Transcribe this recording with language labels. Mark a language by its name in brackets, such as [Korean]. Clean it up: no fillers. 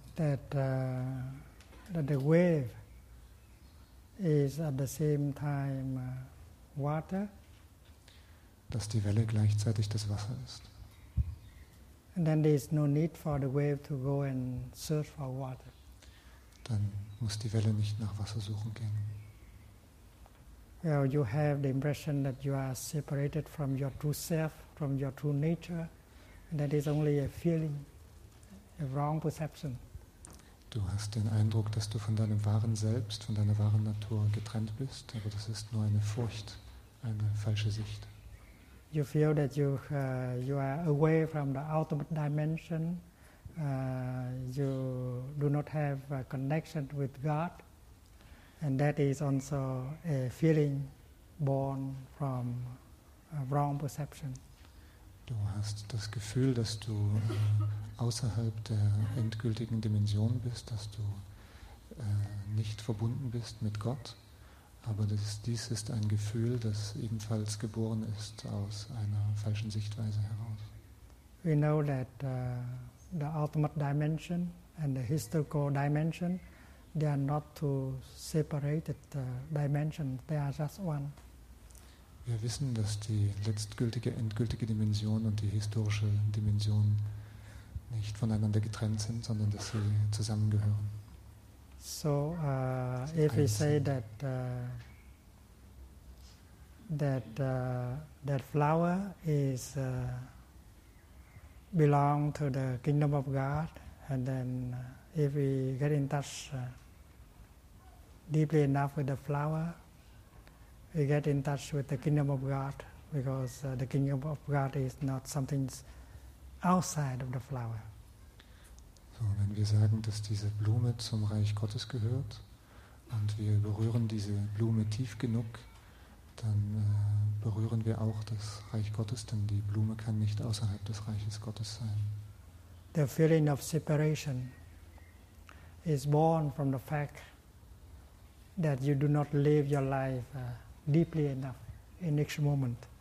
[English] that the wave is at the same time water, [German] dass die Welle gleichzeitig das Wasser ist, [English] and then there is no need for the wave to go and search for water. [German] Dann muss die Welle nicht nach Wasser suchen gehen. [English] Well, you have the impression that you are separated from your true self, from your true nature, and that is only a feeling, a wrong perception. [German] Du hast den Eindruck, dass du von deinem wahren Selbst, von deiner wahren Natur getrennt bist, aber das ist nur eine Furcht, eine falsche Sicht. [English] you feel that you you are away from the ultimate dimension. You do not have a connection with God, and that is also a feeling born from a wrong perception. [German] Du hast das Gefühl, dass du außerhalb der endgültigen Dimension bist, dass du nicht verbunden bist mit Gott, aber dies ist ein Gefühl, das ebenfalls geboren ist aus einer falschen Sichtweise heraus. [English] We know that the ultimate dimension and the historical dimension, they are not two separated dimensions, they are just one. [German] Wir wissen, dass die letztgültige, endgültige Dimension und die historische Dimension nicht voneinander getrennt sind, sondern dass sie zusammengehören. [English] So, if we say that that flower is belong to the kingdom of God, and then if we get in touch deeply enough with the flower, we get in touch with the kingdom of God, because the kingdom of God is not something outside of the flower. [German] So, wenn wir sagen, dass diese Blume zum Reich Gottes gehört und wir berühren diese Blume tief genug, dann berühren wir auch das Reich Gottes, denn die Blume kann nicht außerhalb des Reiches Gottes sein. [English] The feeling of separation is born from the fact that you do not live your life deeply enough in each moment.